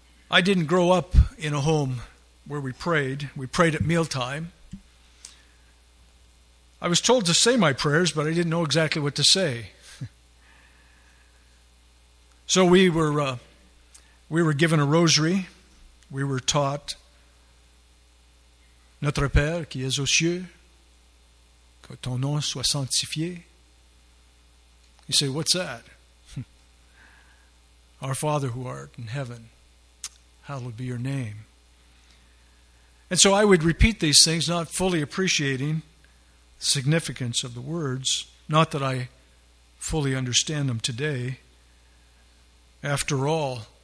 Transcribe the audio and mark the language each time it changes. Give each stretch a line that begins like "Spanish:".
English: I didn't grow up in a home where we prayed. We prayed at mealtime. I was told to say my prayers, but I didn't know exactly what to say. So we were given a rosary. We were taught
French: Notre Père qui es aux cieux, que ton nom soit sanctifié.
English: You say, what's that? Our Father who art in heaven, hallowed be your name. And so I would repeat these things, not fully appreciating the significance of the words, not that I fully understand them today. After all,